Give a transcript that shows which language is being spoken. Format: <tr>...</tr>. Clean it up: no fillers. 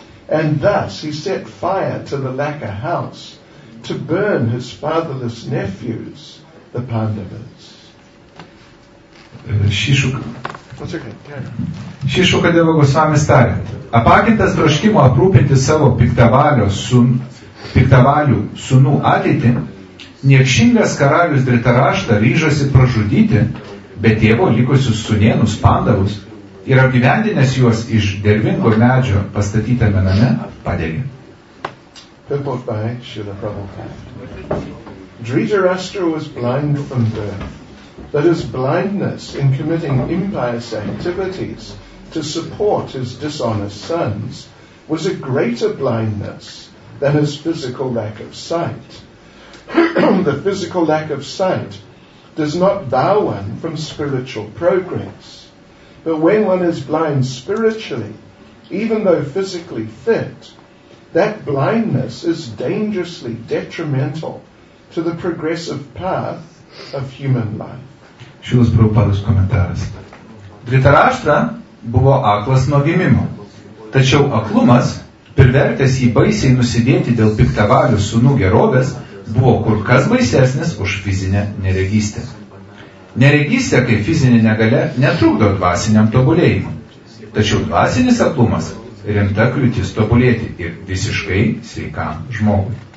<en>And thus he set fire to the Laka house to burn his fatherless nephews, the Pandavas.</en> <lt>Šišuka Deva Goswami tarė, apakintas troškimo aprūpinti savo piktavalių sunų ateitį, niekšingas karalius Dhritarashtra ryžosi pražudyti be tėvo likusius sunėnus Pandavus ir apgyvendinęs juos iš dervingo medžio pastatytame name padegė.</lt> <en>Dhritarashtra was blind from birth. That his blindness in committing impious activities to support his dishonest sons was a greater blindness than his physical lack of sight. The physical lack of sight does not bar one from spiritual progress. But when one is blind spiritually, even though physically fit, that blindness is dangerously detrimental to the progressive path of human life.</en> <lt>Šilas Prabhupadas komentaras. Dhritarashtra buvo aklas nuo gimimo, tačiau aklumas, privertęs jį baisiai nusidėti dėl piktavalių sūnų gerovės, buvo kur kas baisesnis už fizinę neregystę. Neregystė kaip fizinė negalia netrukdo dvasiniam tobulėjimui, tačiau dvasinis aklumas rimta kliūtis tobulėti ir visiškai sveikam žmogui.</lt>